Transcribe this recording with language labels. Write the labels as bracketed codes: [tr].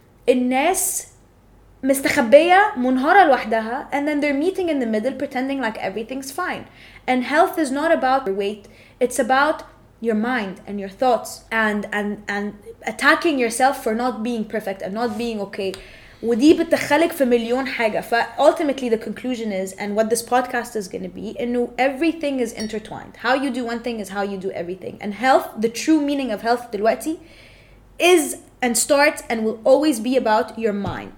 [ar] الناس مستخبية منهارة لوحدها [en] and then they're meeting in the middle pretending like everything's fine. And health is not about your weight, it's about your mind and your thoughts and attacking yourself for not being perfect and not being okay. [ar] ودي بتدخلك في مليون حاجة. [en] ف ultimately the conclusion is and what this podcast is going to be [ar] انه [en] everything is intertwined. How you do one thing is how you do everything. And health, the true meaning of health [ar] دلوقتي [en] is and starts and will always be about your mind.